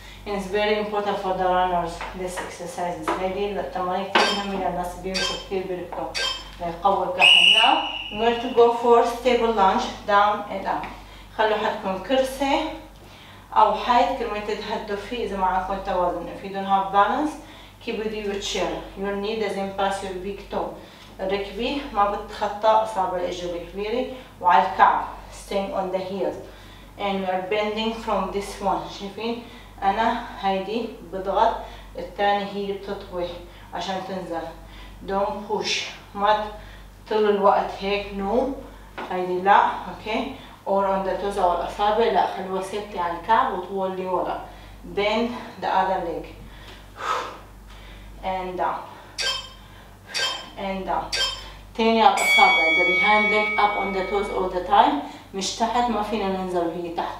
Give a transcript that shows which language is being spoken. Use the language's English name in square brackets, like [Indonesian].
[English] And it's very important for the runners, this exercise. [Arabic] هيدي التمارين كثير مهمة للناس بيمشوا كثير بيركضوا ليقوي الكحل. [English] Now I'm going to go for stable lunge down and up. خلوا حدكم كرسي أو حيط كرمال تتهدوا فيه إذا معكم التوازن. If you don't have balance, keep with your chair. Your knee doesn't pass your big toe. [Arabic] ركبي ما بتخطى أصابع الإجر الكبيرة وعلى الكعب. [English] Staying on the heels. And we are bending from this one. [Arabic] شايفين؟ أنا هيدي بضغط الثاني هي بتطوي عشان تنزل. [English] Don't push. [Arabic] ما طول الوقت هيك نو. هيدي لا. Okay. [English] Or on the toes or [Arabic] الأصابع لا. خلوها ثابتة على الكعب وتولي ورا. [English] Bend the other leg. And down. [Arabic] And down. تاني على الأصابع. [English] The behind leg up on the toes all the time. [Arabic] مش تحت ما فينا ننزل وهي تحت.